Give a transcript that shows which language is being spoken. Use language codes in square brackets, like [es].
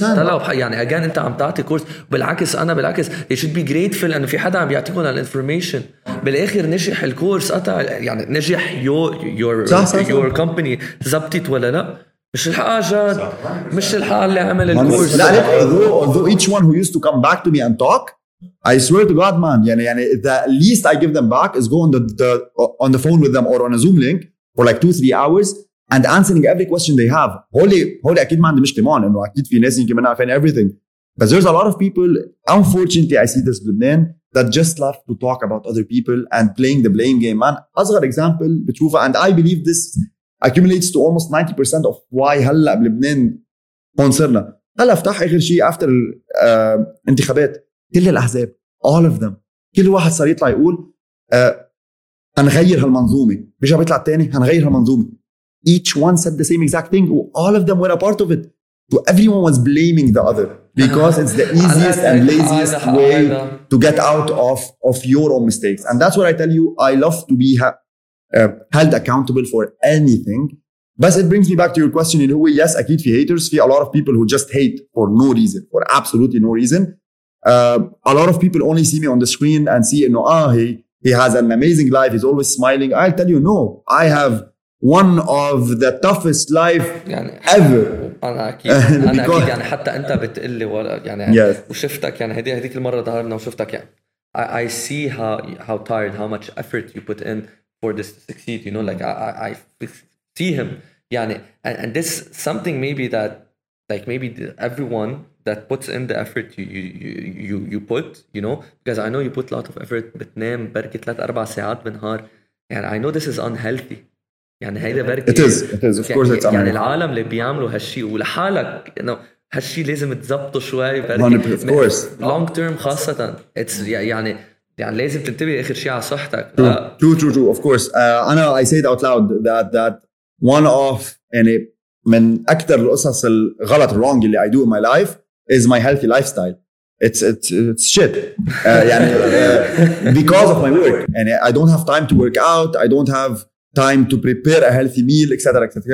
[ar] طلعوا يعني again انت عم تعطي كورس بالعكس انا بالعكس [en] you should be grateful [ar] انه في حدا عم بيعطيكم الانفورميشن بالاخر نجح الكورس قطع يعني نجح [en] your company [ar] زبطت ولا لا مش الحاجه مش الحاجه اللي عمل الكورس [en] لا although each one who used to come back to me and talk I swear to god man يعني the least I give them back is go on the phone with them or on a zoom link for like 2-3 hours and answering every question they have. [ar] Holy, أكيد ما عندي مشكلة معهم إنه أكيد في ناس يمكن ما عارفين everything. [en] But there's a lot of people, unfortunately, I see this in Lebanon that just love to talk about other people and playing the blame game. Man, [ar] أصغر [en] example [ar] بتشوفه [en] and I believe this accumulates to almost 90% of why [ar] هلا بلبنان هونصرنا. هلا افتح آخر شيء after انتخابات كل الأحزاب, [en] all of them, [ar] كل واحد صار يطلع يقول هنغير هالمنظومة بيجا بيطلع التاني هنغير هالمنظومة [en] each one said the same exact thing all of them were a part of it so everyone was blaming the other because it's the easiest and laziest way to get out of your own mistakes. And that's what I tell you. I love to be held accountable for anything. But it brings me back to your question in a way. Yes, [ar] akid fi haters, fi [en] a lot of people who just hate for no reason, for absolutely no reason. A lot of people only see me on the screen and see, you know, he has an amazing life. He's always smiling. I'll tell you, no, I have one of the toughest life ever. [ar] أنا أكيد أنا أكيد يعني حتى أنت بتقول لي يعني [en] yes. [ar] وشفتك يعني هذيك المرة ظهرنا وشفتك يعني [en] I see how tired, how much effort you put in for this to succeed, you know, like I see him يعني and this something maybe that like maybe everyone that puts in the effort you put, you know, because I know you put a lot of effort [ar] بتنام بركة 3-4 ساعات بنهار [en] and I know this is unhealthy. [ar] يعني هيدا بركة [en] It is, of course it's [ar] يعني العالم اللي بيعملوا هالشي ولحالك إنه هالشي لازم تزبطه شوي [en] بركة 100%, of course [ar] long term خاصة it's يعني لازم تنتبه آخر شيء على صحتك [en] true of course أنا I say it out loud that one of [ar] يعني من أكثر القصص الغلط [en] wrong اللي I do in my life is my healthy lifestyle it's shit يعني because of my work and I don't have time to work out I don't have time to prepare a healthy meal, etc., etc.